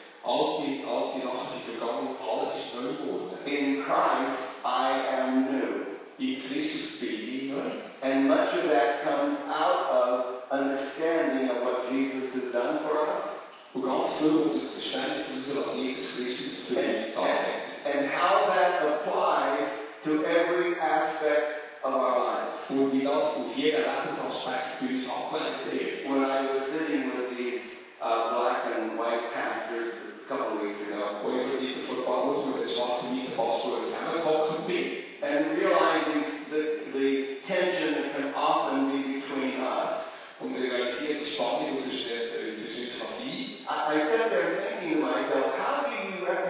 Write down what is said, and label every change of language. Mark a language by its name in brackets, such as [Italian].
[German] All die Sachen sind vergangen, alles ist neu geworden. [English] In Christ, I am new. [German] In Christus bin ich neu. [English] And much of that comes out of understanding of what Jesus has done for us. [German] Und ganz viel kommt aus dem Verständnis dessen, was Jesus Christus für uns getan hat. [English] And how that applies to every aspect of our lives. [German] Und wie das auf jeden Lebensaspekt für uns angewendet wird. [English] When I was sitting with these black and white pastors, and realizing the tension that can often be between us, I sat there thinking to myself, how do you